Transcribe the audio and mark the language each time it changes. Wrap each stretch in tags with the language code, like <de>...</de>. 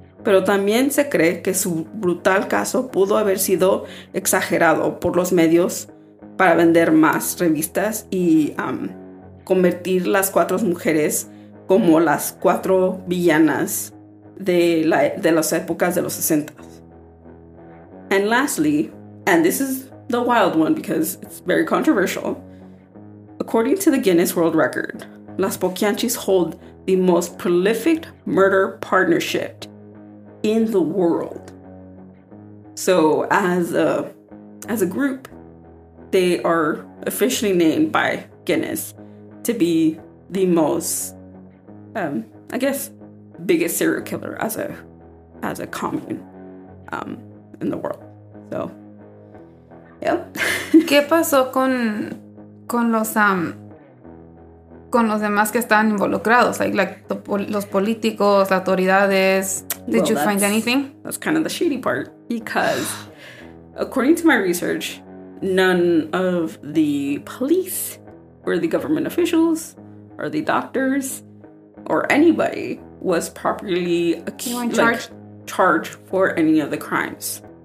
<es>Pero también se cree que su brutal caso pudo haber sido exagerado por los medios para vender más revistas y convertir las cuatro mujeres como las cuatro villanas de las épocas de los 60s.</es> <en>And lastly, and this is the wild one because it's very controversial, according to the Guinness World Record, Las Poquianchis hold the most prolific murder partnership in the world. So as a group, they are officially named by Guinness to be the most I guess biggest serial killer as a commune in the world. So yeah.</en> <es>¿Qué pasó con los demás que están involucrados, los políticos, las autoridades?</es> <en>Did you find anything? That's kind of the shady part, because according to my research, none of the police or the government officials or the doctors or anybody was properly charged for any of the crimes.</en>